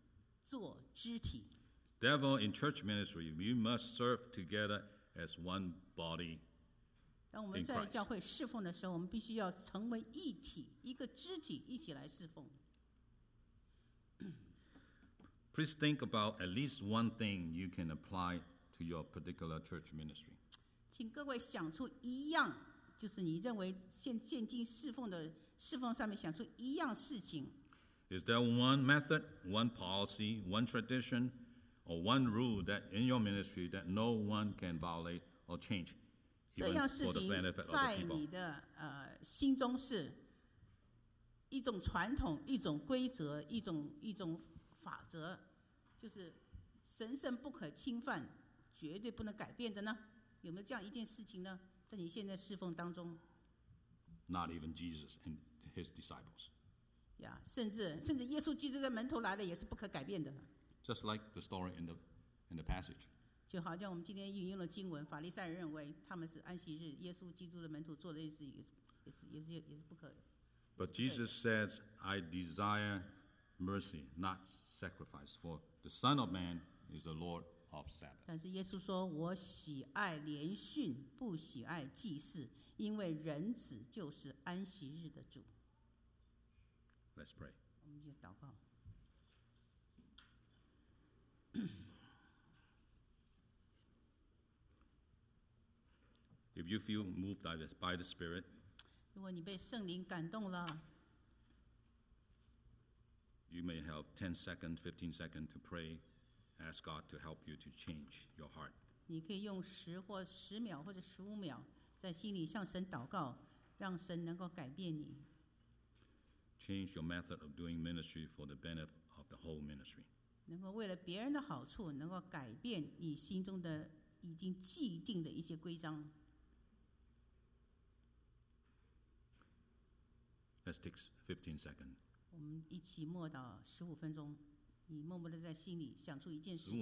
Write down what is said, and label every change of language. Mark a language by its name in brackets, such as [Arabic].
[Chinese] 若一个肢体受苦，所有的肢体就一同受苦；若一个肢体得荣耀，所有的肢体就一同快乐。你们就是基督的身子，并且各自做肢体。 [English] Therefore, in church ministry, we must serve together as one body. [Chinese] 当我们在教会侍奉的时候，我们必须要成为一体，一个肢体一起来侍奉。 [English] Please think about at least one thing you can apply to your particular church ministry. [Chinese] 请各位想出一样，就是你认为现今侍奉的侍奉上面想出一样事情。 [English] Is there one method, one policy, one tradition, or one rule that in your ministry that no one can violate or change, even for the benefit of the people? [Chinese] 这样事情在你的心中是一种传统、一种规则、一种法则。就是神圣不可侵犯，绝对不能改变的呢？有没有这样一件事情呢？在你现在侍奉当中。 [English] Not even Jesus and his disciples. [Chinese] Yeah, 甚至耶稣基督的门徒来了也是不可改变的。 [English] Just like the story in the passage. [Chinese] 就好像我们今天引用的经文，法利赛人认为他们是安息日，耶稣基督的门徒做的也是不可。 [English] But Jesus says, "I desire mercy, not sacrifice, for the Son of Man is the Lord of Sabbath." [Chinese] 但是耶稣说，我喜爱连训，不喜爱祭祀，因为人子就是安息日的主。 [English] Let's pray. [Chinese] 我们就祷告。 [English] If you feel moved by the Spirit, [Chinese] 如果你被圣灵感动了， [English] you may have 10 seconds, 15 seconds to pray, ask God to help you to change your heart. [Chinese] 你可以用十或十秒或者十五秒在心里向神祷告，让神能够改变你。 [English] Change your method of doing ministry for the benefit of the whole ministry. [Chinese] 能够为了别人的好处，能够改变你心中的已经既定的一些规章。 [English] Let's take 15 seconds. [Chinese] 我们一起默祷十五分钟，你默默的在心里想出一件事情。